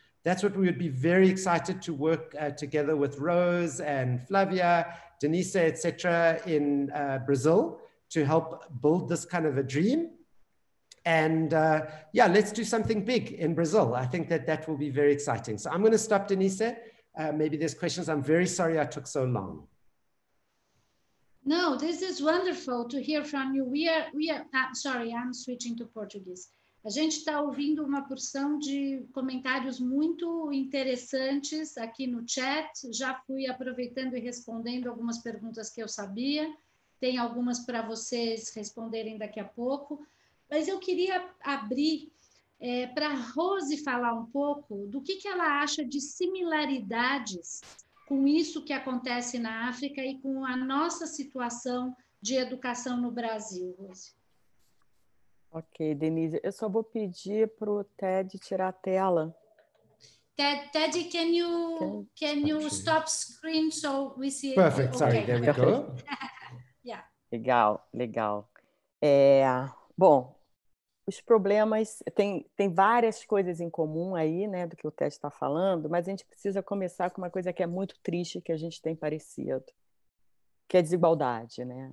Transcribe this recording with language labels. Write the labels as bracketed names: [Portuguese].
[English] That's what we would be very excited to work together with Rose and Flavia, Denise, et cetera, in Brazil to help build this kind of a dream. And let's do something big in Brazil. I think that will be very exciting. So I'm going to stop, Denise. Maybe there's questions. I'm very sorry I took so long. No, this is wonderful to hear from you. I'm switching to Portuguese. [Portuguese] A gente está ouvindo uma porção de comentários muito interessantes aqui no chat. Já fui aproveitando e respondendo algumas perguntas que eu sabia. Tem algumas para vocês responderem daqui a pouco. Mas eu queria abrir para a Rose falar um pouco do que ela acha de similaridades com isso que acontece na África e com a nossa situação de educação no Brasil, Rose. Ok, Denise. Eu só vou pedir para o Ted tirar a tela. [English] Teddy, can you stop screen so we see? Perfect. Okay. Sorry, there we go. Yeah. [Portuguese] Legal. É, bom, os problemas, tem várias coisas em comum aí, né, do que o Ted está falando, mas a gente precisa começar com uma coisa que é muito triste que a gente tem parecido, que é a desigualdade, né?